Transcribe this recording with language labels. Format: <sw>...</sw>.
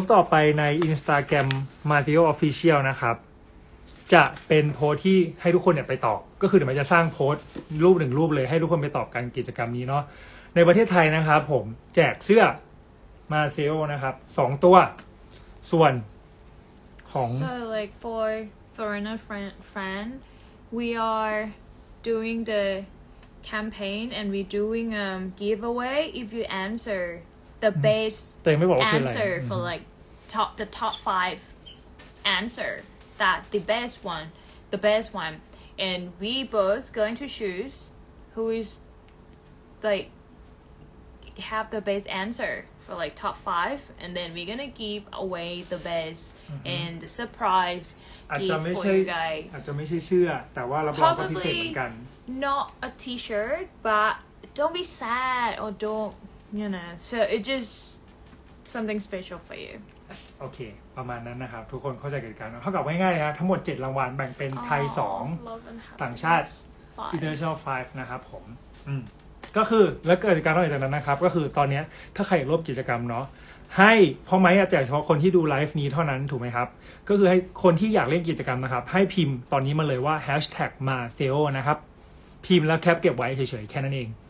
<th>ไปใน Instagram Matteo Official นะครับจะเป็นโพสต์ที่ให้ทุกคนเนี่ยไปตอบก็คือเดี๋ยวจะสร้างโพสต์รูปหนึ่งรูปเลยให้ทุกคนไปตอบกันกิจกรรมนี้เนาะในประเทศไทยนะครับผมแจกเสื้อ Matteo นะครับ2ตัวส่วนของ</th> <en>So like for foreigner friend we are doing thecampaign and we doing giveaway if you answer the best answer for like the top 5 answer that the best one and we both going to choose who is like have the best answer for like top 5 and then we're gonna give away the best and the surprise gift for you guys</en> <th>อาจจะไม่ใช่เสื้อแต่ว่าเราบอกว่าพิเศษเหมือนกัน</th> <en>Not a t-shirt, but don't be sad or don't, you know, so it's just something special for you.</en> <th>Okay, ประมาณนั้นนะครับทุกคนเข้าใจกันกันเท่ากับง่ายๆนะทั้งหมด7รางวัลแบ่งเป็นไทย2ต่างชาติ International 5นะครับผมก็คือแล้วกิจกรรมต่อจากนั้นนะครับก็คือตอนนี้ถ้าใครร่วมกิจกรรมเนาะให้พอไหมแจกเฉพาะคนที่ดูไลฟ์นี้เท่านั้นถูกไหมครับก็คือให้คนที่อยากเล่นกิจกรรมนะครับให้พิมพ์ตอนนี้มาเลยว่า #Matteo นะครับพิมพ์แล้วแคปเก็บไว้เฉยๆแค่นั้นเอง</th>